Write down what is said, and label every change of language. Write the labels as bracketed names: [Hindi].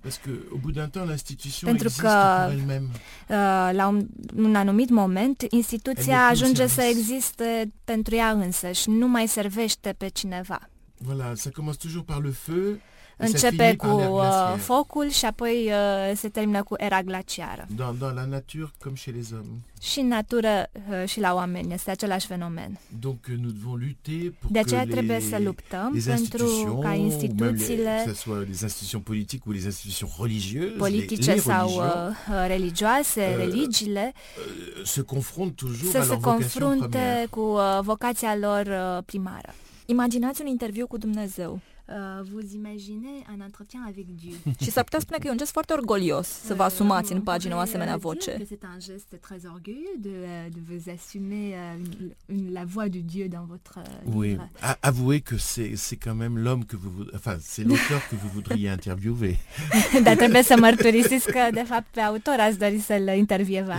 [French] Parce que, au bout d'un temps, l'institution existe par elle-même. [Romanian] La un anumit moment, instituția ajunge să existe pentru ea însăși, nu mai servește pe cineva. [French] Voilà, ça commence toujours par le feu. [Romanian] Începe cu focul și apoi se termină cu era glaciară. [French] Dans la nature comme chez les hommes. [Romanian] Și în natură și la oameni este același fenomen. [French] Donc nous devons lutter pour [Romanian] de aceea trebuie să luptăm pentru ca instituțiile, [French] que ce soit les institutions politiques ou les institutions religieuses, [Romanian] politice sau religioase, religiile, [French] se confrontent toujours [Romanian] să [French] à [Romanian] se confrunte cu vocația lor primară. Imaginați un interviu cu Dumnezeu. [French] Vous imaginez un entretien avec Dieu. [Romanian] Și s-ar putea spune că e un gest foarte orgolios să vă asumați în pagină o asemenea voce. [French] C'est un geste très orgueilleux de vous assumer la voix de Dieu dans votre livre. Oui, avouez que c'est quand même l'homme que vous enfin c'est l'auteur que vous voudriez interviewer. [Romanian] Dar trebuie să mărturisesc că de fapt pe autor ați dori să-l intervievați.